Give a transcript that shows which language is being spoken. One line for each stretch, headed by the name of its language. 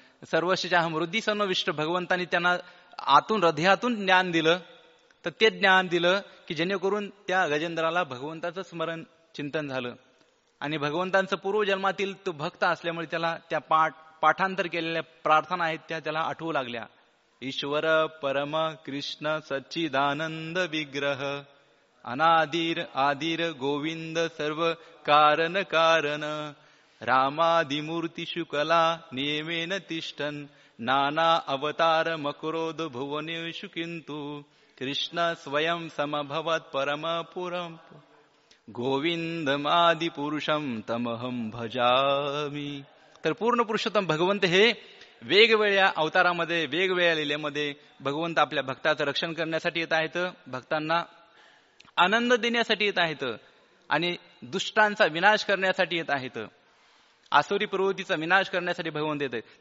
Marathi: सर्वशा मृद्धी सनोविष्ट भगवंतांनी त्यांना आतून हृदयातून ज्ञान दिलं तर ते ज्ञान दिलं की जेणेकरून त्या गजेंद्राला भगवंताचं स्मरण चिंतन झालं आणि भगवंतांचं पूर्वजन्मातील तो भक्त असल्यामुळे त्याला त्या पाठांतर केलेल्या प्रार्थना आहेत त्याला आठवू लागल्या.
Sanskrit: ईश्वर परम कृष्ण सच्चिदानंद विग्रह अनादिर आदिर गोविंद सर्व कारण कारण रामादिमूर्ती शुकला नियमेन तिष्ठन नाना अवतार मकरोद भुवनेषु किंतु कृष्ण स्वयं समभवत परम पुरम गोविंदमादि पुरुषम तमहं भजामि.
Marathi: तर पूर्ण पुरुषोत्तम भगवंत हे वेगवेगळ्या अवतारामध्ये वेगवेगळ्या लीलेमध्ये भगवंत आपल्या भक्ताचं रक्षण करण्यासाठी येत आहेत, भक्तांना आनंद देण्यासाठी येत आहेत आणि दुष्टांचा विनाश करण्यासाठी येत आहेत, आसुरी प्रवृत्तीचा विनाश करण्यासाठी भगवंत येत आहेत.